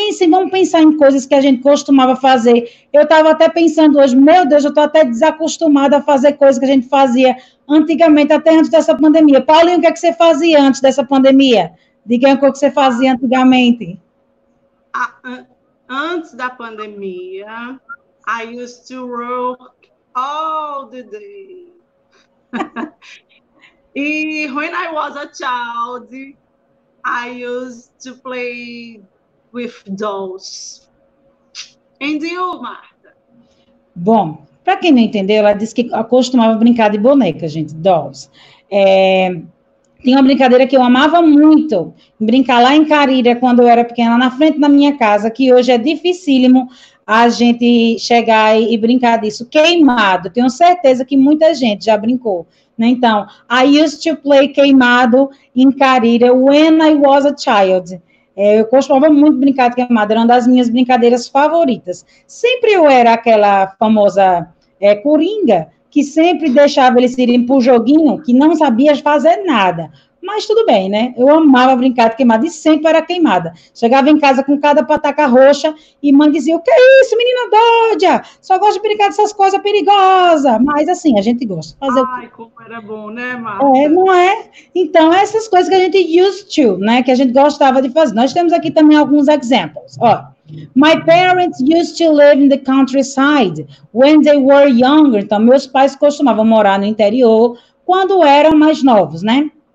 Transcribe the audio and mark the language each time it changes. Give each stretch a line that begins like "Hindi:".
Portuguese: Vamos pensar em coisas que a gente costumava fazer. Eu estava até pensando hoje, meu Deus, eu estou até desacostumada a fazer coisas que a gente fazia antigamente, até antes dessa pandemia. Paulinho, o que é que você fazia antes dessa pandemia? Diga o que você fazia antigamente. Antes da pandemia,
English: I used to work all the day. E when I was a child, I used to play with dolls. And you, Marta?
Portuguese: Bom, para quem não entendeu, ela disse que acostumava brincar de boneca, gente, dolls. Tem uma brincadeira que eu amava muito, brincar lá em Carira, quando eu era pequena, na frente da minha casa, que hoje é dificílimo a gente chegar e brincar disso. Queimado, tenho certeza que muita gente já brincou, né?
English: Então, I used to play queimado em Carira when I was a child.
Portuguese: Eu costumava muito brincar de queimado, era uma das minhas brincadeiras favoritas. Sempre eu era aquela famosa coringa, que sempre deixava eles irem para o joguinho, que não sabia fazer nada. Mas tudo bem, né? Eu amava brincar de queimada e sempre era queimada. Chegava em casa com cada pataca roxa e mãe dizia, o que é isso, menina doida? Só gosto de brincar dessas coisas perigosas. Mas assim, a gente gosta. Fazer. Ai, o que... como era bom, né, Marta? Não é? Então, essas coisas que a gente used to, né? Que a gente gostava de fazer. Nós temos aqui também alguns exemplos, ó.
English: My parents used to live in the countryside when they were younger.
Portuguese: Então, meus pais costumavam morar no interior quando eram mais novos, né?